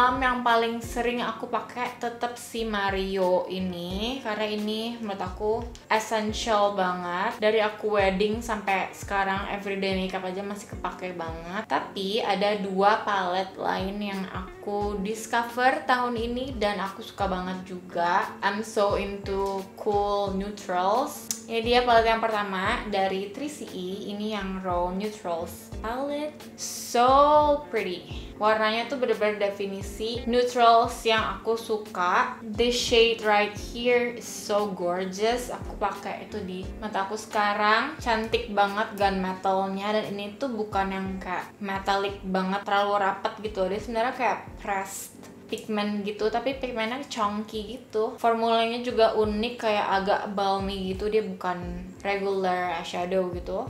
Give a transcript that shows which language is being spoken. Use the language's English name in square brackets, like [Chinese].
[Indonesian] Yang paling sering aku pakai tetap si Mario ini, karena ini menurut aku essential banget. Dari aku wedding sampai sekarang everyday makeup aja masih kepake banget. Tapi ada dua palette lain yang aku discover tahun ini dan aku suka banget juga. [English] I'm so into cool neutrals. [Indonesian] Ini dia palette yang pertama dari 3CE, ini yang Raw Neutrals palette. [English] So pretty. [Indonesian] Warnanya tuh bener-bener definisi neutrals yang aku suka. [English] This shade right here is so gorgeous. [Indonesian] Aku pakai itu di mata aku sekarang. Cantik banget gunmetalnya. Dan ini tuh bukan yang kayak metallic banget, terlalu rapet gitu. Dia sebenarnya kayak pressed pigment gitu, tapi pigmentnya chunky gitu. Formulanya juga unik, kayak agak balmy gitu. Dia bukan regular eyeshadow gitu.